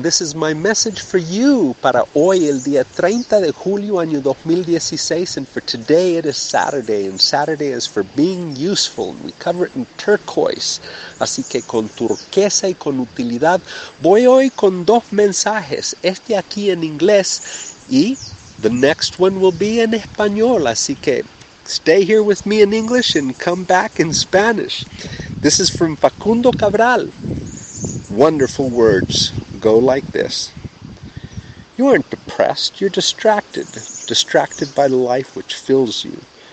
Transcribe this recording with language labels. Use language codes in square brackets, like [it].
[en] This is my message for you [es] para hoy, el día 30 de julio, año 2016. [en] And for today, it is Saturday. And Saturday is for being useful. We cover it in turquoise. [es] Así que con turquesa y con utilidad, voy hoy con dos mensajes. Este aquí en inglés y [en] the next one will be [es] en español. Así que [en] stay here with me in English and come back in Spanish. This is from Facundo Cabral. Wonderful words go like this. You aren't depressed, you're distracted. Distracted by the life which fills you.